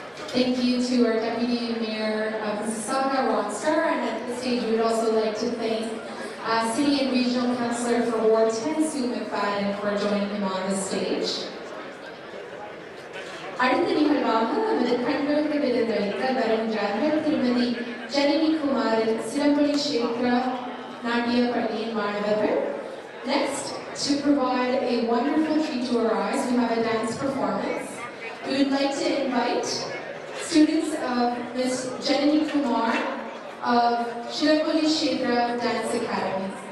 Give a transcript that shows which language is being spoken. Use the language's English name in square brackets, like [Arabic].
[English] Thank you to our Deputy Mayor of Mississauga, Ron Starr, and at this stage we would also like to thank City and Regional Councillor for Ward 10, Sue McFadden, for joining him on the stage. [Tamil] அடுத்த நிகழ்வாக நமது கண்களுக்கு விருந்தளித்த வருகின்றார்கள் திருமதி ஜனனி குமாரின் சிலம்பொலி சேத்ரா நாட்டிய பள்ளியின் மாணவர்கள். [English] Next, to provide a wonderful treat to our eyes, we have a dance performance. We would like to invite students of Ms. Jenny Kumar of Shilapoli Shedra Dance Academy.